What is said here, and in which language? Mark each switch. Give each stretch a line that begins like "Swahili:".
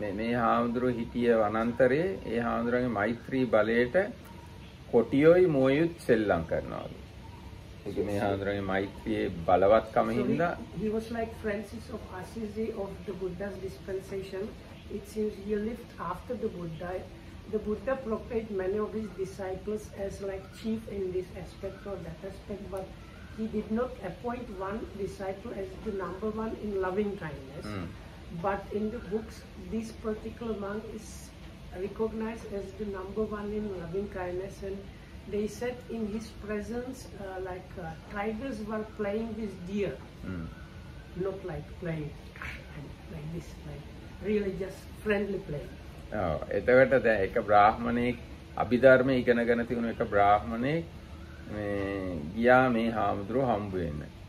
Sinhala: මේ හාමුදුරු හිටිය වනාන්තරයේ ඒ හාමුදුරන්ගේ මෛත්‍රී බලයට කොටියොයි මොයුත් සෙල්ලම් කරනවා. ඒක මේ හාමුදුරන්ගේ මෛත්‍රියේ බලවත්කම හින්දා.
English: He was like Francis of Assisi of the Buddha's dispensation. It seems he lived after the Buddha. The Buddha prophet many of his disciples as like chief in this aspect or that aspect, but he did not appoint one disciple as the number one in loving kindness. But in the books this particular monk is recognized as the number one in loving kindness, and they said in his presence tigers were playing with deer. Not like playing like this, like really just friendly play.
Sinhala: එතකොට දැන් එක බ්‍රාහමණෙක් අභිධර්ම ඉගෙනගෙන තියෙන එක බ්‍රාහමණෙක් මේ ගියා මේ හාමුදුරුව හම්බ වෙන්න.